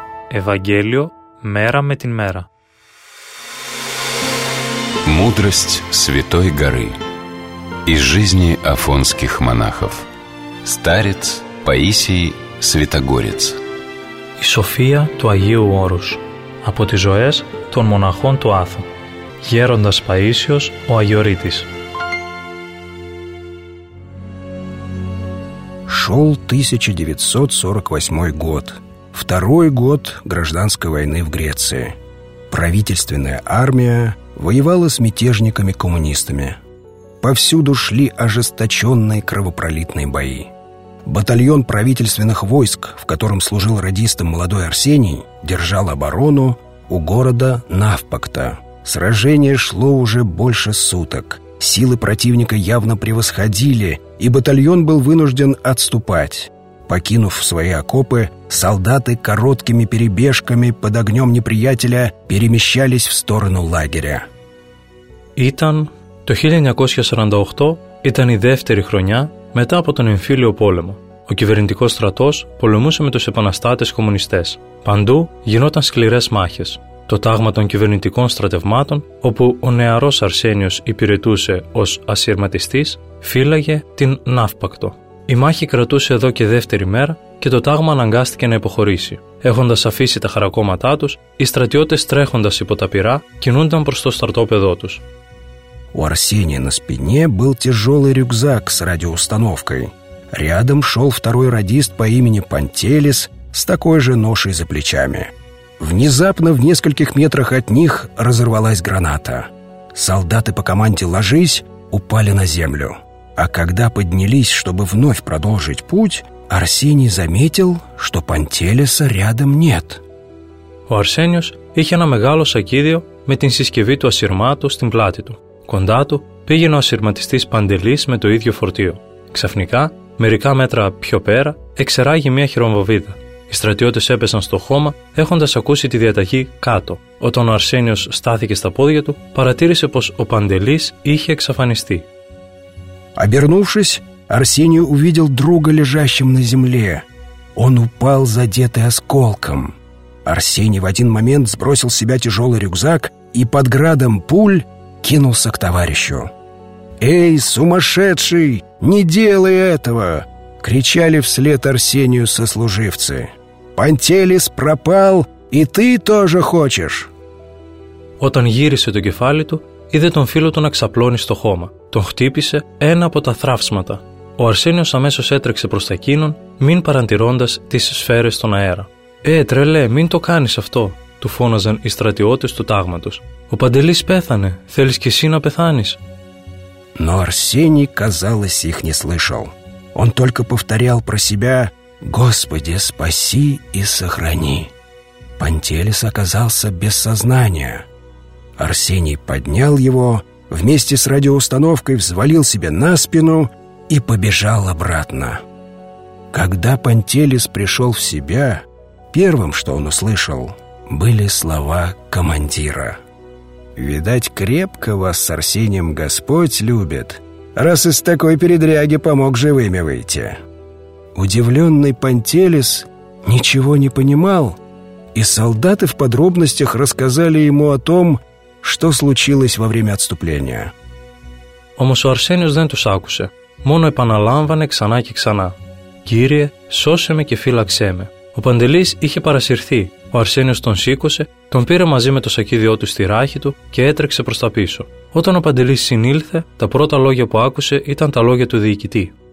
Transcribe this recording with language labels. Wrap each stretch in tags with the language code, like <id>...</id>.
<ru>Евангелие мера</ru> <el>με την</el> <ru>мера. Мудрость Святой Горы из жизни афонских монахов. Старец Паисий Святогорец.</ru> <el>И София του Αγίου Όρους από τις ζωές των μοναχών του Άθου. Γέροντας Παΐσιος ο Αγιορείτης.</el> <ru>Шел 1948 год, второй год гражданской войны в Греции. Правительственная армия воевала с мятежниками-коммунистами. Повсюду шли ожесточенные кровопролитные бои. Батальон правительственных войск, в котором служил радистом молодой Арсений, держал оборону у города Навпакта. Сражение шло уже больше суток. Силы противника явно превосходили, и батальон был вынужден отступать. Покинув свои окопы, солдаты короткими перебежками под огнем неприятеля перемещались в сторону лагеря.</ru> <el>Ήταν το 1948, ήταν η δεύτερη χρονιά μετά από τον εμφύλιο πόλεμο. Ο κυβερνητικός στρατός πολεμούσε με τους επαναστάτες κομμουνιστές. Παντού γινόταν σκληρές μάχες. Το τάγμα των κυβερνητικών στρατευμάτων, όπου ο νεαρός Αρσένιος υπηρετούσε ως ασυρματιστής, φύλαγε την Ναύπακτο. Η μάχη κρατούσε εδώ και δεύτερη μέρα και το τάγμα αναγκάστηκε να υποχωρήσει. Έχοντας αφήσει τα χαρακώματά τους, οι στρατιώτες τρέχοντας υπό τα πυρά κινούνταν προς το στρατόπεδό τους. Ο Αρσένιος</el> <ru>на спине был тяжелый рюкзак с радиоустановкой. Рядом шел второй радист по имени Пантелис с такой же ношей за плечами. Внезапно в нескольких метрах от них разорвалась граната. Солдаты по команде «ложись» упали на землю. А когда поднялись, чтобы вновь продолжить путь, Арсений заметил, что Пантелеса рядом нет.</ru> <el>Ο Αρσένιος είχε ένα μεγάλο σακίδιο με την συσκευή του ασυρμάτου στην πλάτη του. Κοντά του πήγαινε ο ασυρματιστής Παντελής με το ίδιο φορτίο. Ξαφνικά, μερικά μέτρα πιο πέρα, εξεράγει μια χειροβομβίδα. Οι στρατιώτες έπεσαν στο χώμα έχοντας ακούσει τη διαταγή κάτω. Όταν ο Αρσένιος στάθηκε στα πόδια του, παρατήρησε πως ο Παντελής είχε εξαφανιστεί.</el> <ru>Обернувшись, Арсений увидел друга лежащим на земле. Он упал, задетый осколком. Арсений в один момент сбросил с себя тяжелый рюкзак и под градом пуль кинулся к товарищу. «Эй, сумасшедший, не делай этого!» — кричали вслед Арсению сослуживцы. «Пантелис пропал, и ты тоже хочешь!»</ru> <el>Όταν γύρισε το κεφάλι του, είδε τον φίλο του να ξαπλώνει στο χώμα. Τον χτύπησε ένα από τα θράψματα. Ο Αρσένιος αμέσως έτρεξε προς τα εκείνον, μην παρατηρώντας τις σφαίρες στον αέρα. «Ε, τρελέ, μην το κάνεις αυτό», του φώναζαν οι στρατιώτες του τάγματος. «Ο Παντελής πέθανε, θέλεις κι εσύ να πεθάνεις».</el> <ru>Но Арсений, казалось, их не слышал. Он только повторял про себя: «Господи, спаси и сохрани». Пантелис оказался без сознания. Арсений поднял его, вместе с радиоустановкой взвалил себе на спину и побежал обратно. Когда Пантелис пришел в себя, первым, что он услышал, были слова командира. «Видать, крепко вас с Арсением Господь любит, раз из такой передряги помог живыми выйти». Удивленный Пантелис ничего не понимал, и солдаты в подробностях рассказали ему о том, что случилось во время отступления.</ru> <el>Όμως ο Αρσένιος δεν τους άκουσε, μόνο επαναλάμβανε ξανά και ξανά. «Κύριε, σώσε με και φύλαξέ με». Ο Παντελής είχε παρασυρθεί. Ο Αρσένιος τον σήκωσε, τον πήρε μαζί με το σακίδιό του στη ράχη του και έτρεξε προς τα πίσω. Όταν ο Παντελής συνήλθε, τα πρώτα λόγια που άκουσε ήταν τα λόγια του διοικητή.</el>